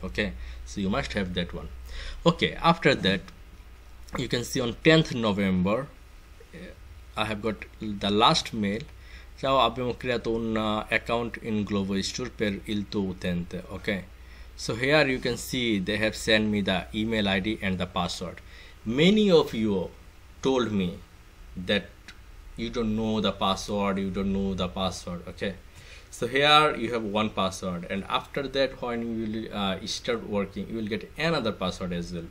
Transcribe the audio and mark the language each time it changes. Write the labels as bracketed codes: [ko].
[en] Okay, so you must have that one. Okay, after that, you can see on 10th November, I have got the last mail. [it] Ciao, abbiamo creato un account in Glovo store per il tuo utente. [en] Okay, so here you can see they have sent me the email ID and the password. Many of you told me that you don't know the password. Okay, So here you have one password, and after that, when you will start working, you will get another password as well.